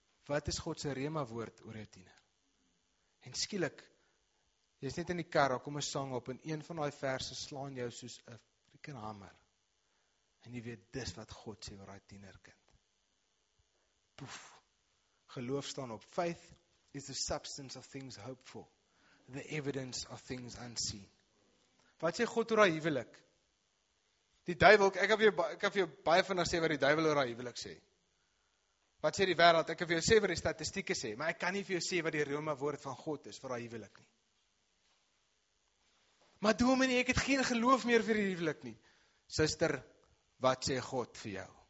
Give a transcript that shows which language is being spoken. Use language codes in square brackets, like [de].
[af] Wat is God se rema woord oor jou tiener? En skielik, jy is net in die kar, kom 'n sang op, en een van die verse slaan jou soos 'n freaking hamer. En jy weet, dis wat God sê oor die tienerkind. Poef, geloof staan op. [en] Faith is the substance of things hoped for, the evidence of things unseen. [af] Wat sê God oor die huwelik? Die duivel, ek het vir jou baie vinnig sê wat die duivel oor die huwelik sê. Wat sê die wêreld? Ek kan vir jou sê wat die statistieke sê, maar ek kan nie vir jou sê wat die Rome woord van God is vir die huwelik nie. Maar dominee, ek het geen geloof meer vir die huwelik nie. Suster, wat sê God vir jou?